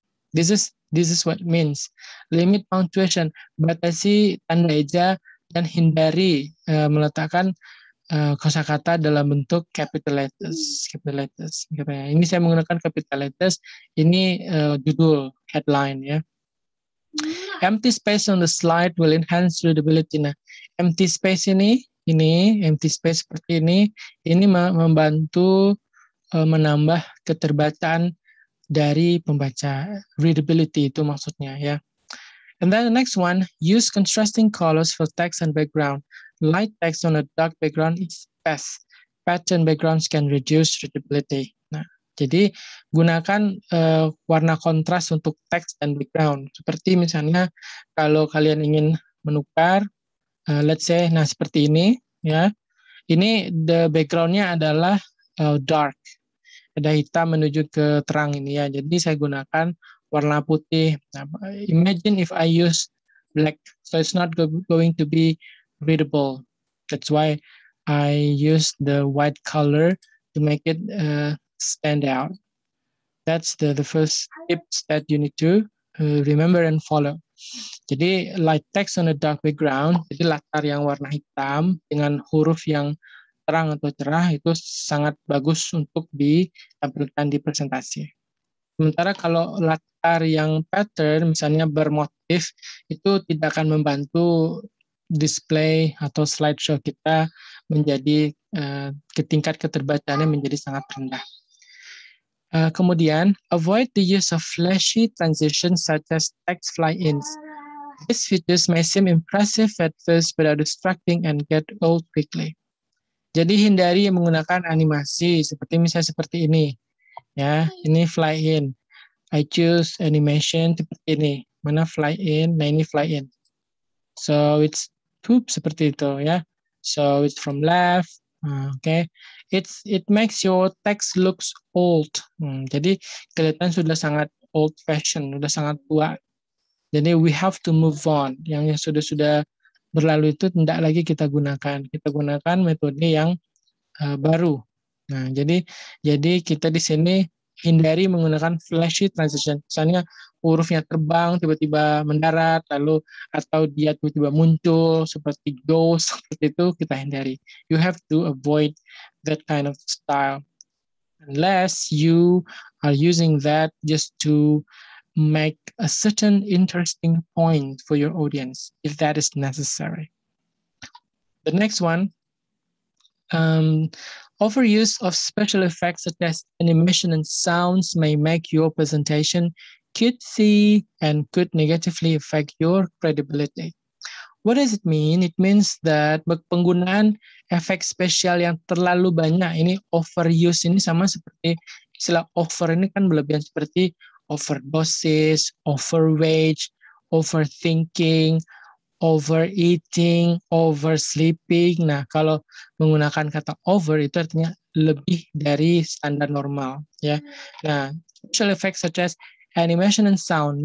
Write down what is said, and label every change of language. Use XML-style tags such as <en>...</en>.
<en>This is what it means. Limit punctuation,</en> <id>batasi tanda eja dan hindari meletakkan kosakata dalam bentuk</id> <en>capital letters.</en> <id>Ini saya menggunakan capital letters. Ini judul headline ya.</id> <en>Empty space on the slide will enhance readability.</en> <id>Nah, empty space ini, empty space seperti ini membantu menambah keterbataan dari pembaca. Readability itu maksudnya ya.</id> <en>And then the next one, use contrasting colors for text and background. Light text on a dark background is best. Pattern backgrounds can reduce readability.</en> <id>Jadi gunakan warna kontras untuk teks dan background. Seperti misalnya kalau kalian ingin menukar,</id> <en>let's say,</en> <id>nah seperti ini, ya, ini the backgroundnya adalah dark, ada hitam menuju ke terang ini ya. Jadi saya gunakan warna putih.</id> <en>Nah, imagine if I use black, so it's not going to be readable. That's why I use the white color to make it stand out. That's the first tips that you need to remember and follow.</en> <id>Jadi</id> <en>light text on a dark background,</en> <id>jadi latar yang warna hitam dengan huruf yang terang atau cerah itu sangat bagus untuk ditampilkan di presentasi. Sementara kalau latar yang pattern misalnya bermotif itu tidak akan membantu display atau slideshow kita menjadi ke tingkat keterbacaannya menjadi sangat rendah.</id> <en>Kemudian, avoid the use of flashy transitions such as text fly-ins. These features may seem impressive at first, but are distracting and get old quickly.</en> <id>Jadi hindari menggunakan animasi seperti misalnya seperti ini, ya. Ini fly-in.</id> <en>I choose animation</en> <id>seperti ini. Mana fly-in? Nah ini fly-in.</id> <en>So it's poop</en> <id>seperti itu, ya.</id> <en>So it's from left. Okay. It makes your text looks old.</en> <id>Jadi kelihatan sudah sangat old fashion, sudah sangat tua. Jadi</id> <en>we have to move on.</en> <id>Yang sudah-sudah berlalu itu tidak lagi kita gunakan. Kita gunakan metode yang baru. Nah, jadi kita di sini hindari menggunakan flashy transition. Misalnya hurufnya terbang tiba-tiba mendarat, lalu atau dia tiba-tiba muncul seperti ghost seperti itu kita hindari.</id> <en>You have to avoid that kind of style unless you are using that just to make a certain interesting point for your audience, if that is necessary. The next one, overuse of special effects such as animation and sounds may make your presentation cutesy and could negatively affect your credibility. What does it mean? It means that</en> <id>penggunaan efek spesial yang terlalu banyak, ini overuse, ini sama seperti istilah over, ini kan berlebihan seperti overdosis, overweight, overthinking, overeating, oversleeping. Nah, kalau menggunakan kata over itu artinya lebih dari standar normal, ya.</id> <en>Nah, special effects such as animation and sound.</en>